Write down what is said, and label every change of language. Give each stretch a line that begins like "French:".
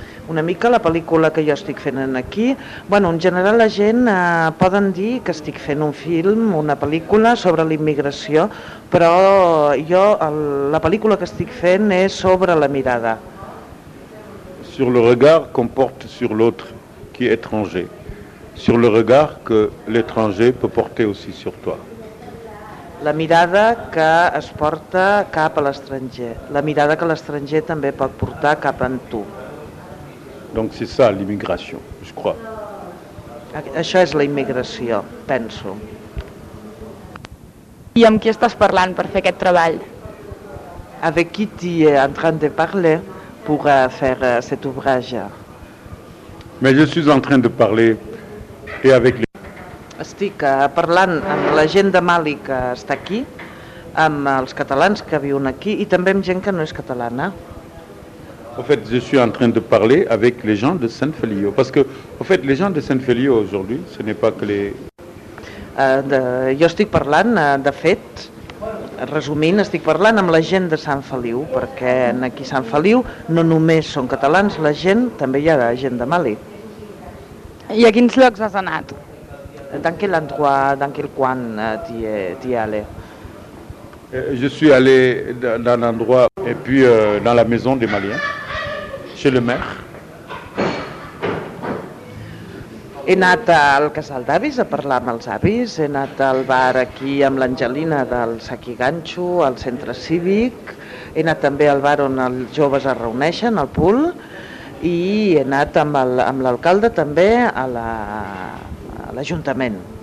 Catalan: Una mica la pel·lícula que jo estic fent aquí. Bueno, en general la gent poden dir que estic fent un film, una pel·lícula sobre l'immigració, però jo la pel·lícula que estic fent és sobre la mirada.
French: Sur le regard qu'on porte sur l'autre qui est étranger. Sur le regard que l'étranger peut porter aussi sur toi.
Catalan: La mirada que es porta cap a l'estranger. La mirada que l'estranger també pot portar cap en tu.
French: Donc c'est ça l'immigration, je crois.
Catalan: Això és la immigració, penso. I amb qui estàs parlant per fer aquest treball?
French: Avec qui tu es en train de parler pour faire cet ouvrage? Mais je suis en train de parler et avec les...
Catalan: Estic parlant amb la gent de Mali que està aquí, amb els catalans que viuen aquí i també amb gent que no és catalana.
French: En fait, je suis en train de parler avec les gens de Saint-Feliu. Parce que, en fait, les gens de Saint-Feliu aujourd'hui, ce n'est pas que les...
Catalan: Jo estic parlant, de fet, resumint, estic parlant amb la gent de Sant Feliu, perquè aquí a Sant Feliu no només són catalans, la gent, també hi ha gent de Mali. I a quins llocs has anat?
French: Dans quel endroit, dans quel coin t'y es allé? Je suis allé dans l'endroit... Et puis dans la maison des Maliens, chez le maire.
Catalan: He anat al casal d'avis a parlar amb els avis, he anat al bar aquí amb l'Angelina del Saki Ganxo, al centre cívic, he anat també al bar on els joves es reuneixen, al pool, i he anat amb l'alcalde també a l'Ajuntament.